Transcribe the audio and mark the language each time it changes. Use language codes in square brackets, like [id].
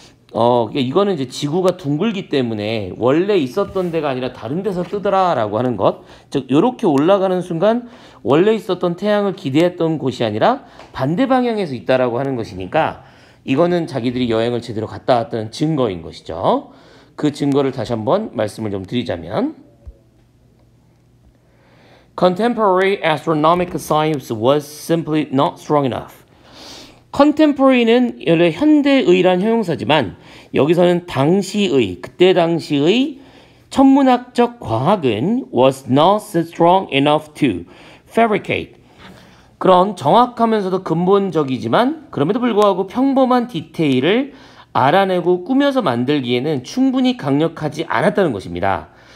[ko] 그러니까 이거는 이제 지구가 둥글기 때문에 원래 있었던 데가 아니라 다른 데서 뜨더라라고 하는 것. 즉 이렇게 올라가는 순간 원래 있었던 태양을 기대했던 곳이 아니라 반대 방향에서 있다라고 하는 것이니까 이거는 자기들이 여행을 제대로 갔다 왔다는 증거인 것이죠. 그 증거를 다시 한번 말씀을 좀 드리자면 [en] Contemporary astronomical science was simply not strong enough. [ko] Contemporary는 원래 현대의란 형용사지만 여기서는 당시의, 그때 당시의 천문학적 과학은 [en] was not strong enough to fabricate. [ko] 그런 정확하면서도 근본적이지만 그럼에도 불구하고 평범한 디테일을 알아내고 꾸며서 만들기에는 충분히 강력하지 않았다는 것입니다.